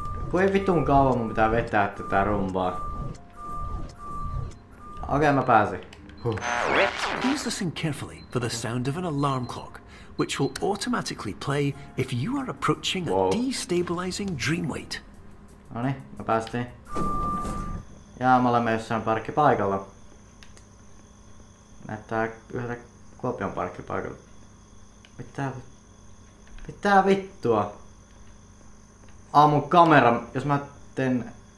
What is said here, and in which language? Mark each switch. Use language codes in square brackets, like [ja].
[fi] Kuin vitun kauan mun pitää vetää tätä rumpaa. Okei, mä pääsin. [en] Please listen carefully for the sound of an alarm clock, which will automatically play if you are approaching a destabilizing dream weight. [fi] Noni, mä päästiin. Ja me olemme jossain parkkipaikalla. Näyttää yhdeltä Kuopion parkkipaikalla. Mitä vittua? Mun kamera, jos mä teen...